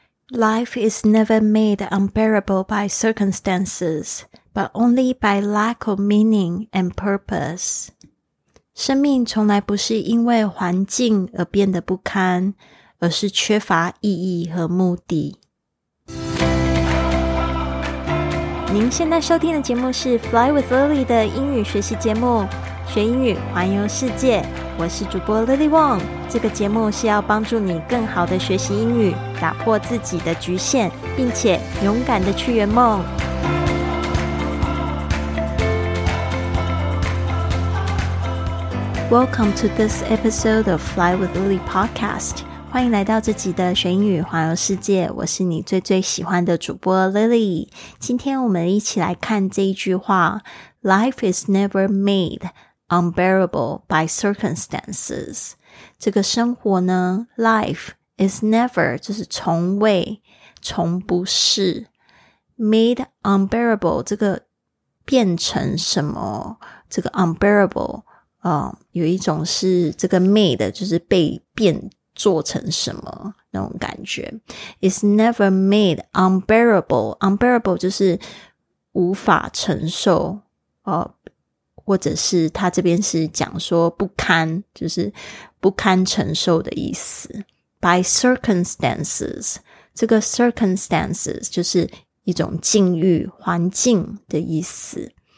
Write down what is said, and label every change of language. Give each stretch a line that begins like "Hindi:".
English: Life is never made unbearable by circumstances, but only by lack of meaning and purpose.
Chinese: 生命从来不是因为环境而变得不堪，而是缺乏意义和目的。您现在收听的节目是 Fly with Lily 的英语学习节目，学英语环游世界。我是主播 Lily Wong， 这个节目是要帮助你更好的学习英语，打破自己的局限，并且勇敢的去圆梦。
English: Welcome to this episode of Fly with Lily podcast.
Chinese: 欢迎来到这集的学英语环游世界，我是你最最喜欢的主播 Lily。今天我们一起来看这一句话，
English: Life is never made unbearable by circumstances.
Chinese: 这个生活呢，
English: Life is never
Chinese: 就是从未，从不是，
English: Made unbearable
Chinese: 这个变成什么，这个 unbearable有一种是这个 made 就是被变做成什么那种感觉。
English: It's never made unbearable.
Chinese: Unbearable 就是无法承受或者是他这边是讲说不堪，就是不堪承受的意思。
English: By circumstances，
Chinese: 这个 circumstances 就是一种境遇环境的意思。